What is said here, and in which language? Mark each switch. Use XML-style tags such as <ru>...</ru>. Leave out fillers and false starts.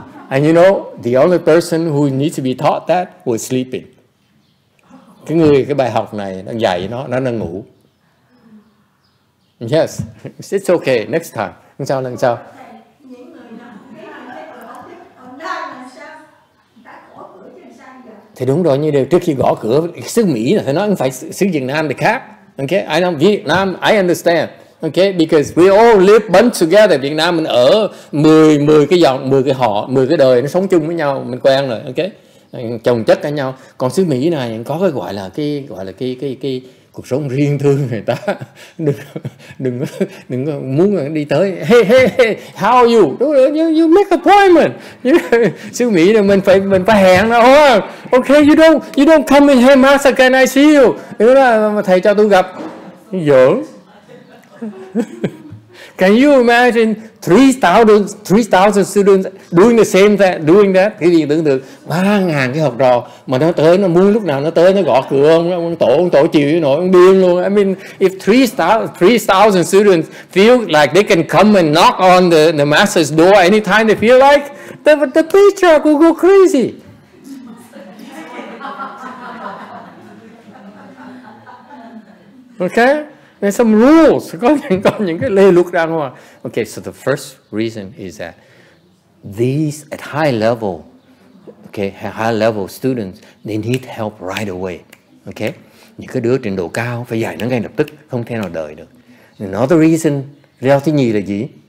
<en>And you know, the only person who needs to be taught that was sleeping.</en> <vi>Cái người, cái bài học này, đang dạy nó đang ngủ.</vi> <en>Yes, it's okay, next time.</en> <vi>lần sau, lần sau. Thì đúng rồi, như điều trước khi gõ cửa xứ Mỹ là phải nói không phải xứ Việt Nam thì khác.</vi> <en>Okay, I know Vietnam, I understand. Okay, because we all live bunch together.</en> <vi>Việt Nam mình ở 10 cái dòng, 10 cái họ, 10 cái đời nó sống chung với nhau, mình quen rồi. Okay, chồng chất cả nhau. Còn xứ Mỹ này có cái gọi là cái cuộc sống riêng tư người ta. Đừng muốn đi tới.</vi> <en>Hey, how are you?</en> <vi>Đúng rồi,</vi> <en>you make appointment.</en> <vi>Xứ Mỹ này mình phải hẹn đó.</vi> <en>Oh, okay, you don't come in, hey, master, can I see you?</en> <vi>Đúng rồi, thầy cho tôi gặp. Giỡn.</vi> <en>Can you imagine 3,000 students doing that?</en> <vi>Cái gì tưởng tượng 3,000 cái học trò mà nó tới, nó muốn lúc nào nó tới nó gõ cửa ông tổ chịu nổi, ông điên luôn.</vi> <en>I mean, if 3,000 students feel like they can come and knock on the master's door anytime they feel like, the teacher will go crazy. Okay. There's some rules.</en> <vi>Có những cái lề luật ra ngoài.</vi> <en>Okay, so the first reason is that these at high level, okay, high level students, they need help right away.</en> <vi>Okay, những cái đứa trình độ cao phải dạy nó ngay lập tức, không thể nào đợi được.</vi> <en>Another reason,</en> <vi>lý do thứ nhì là gì?</vi>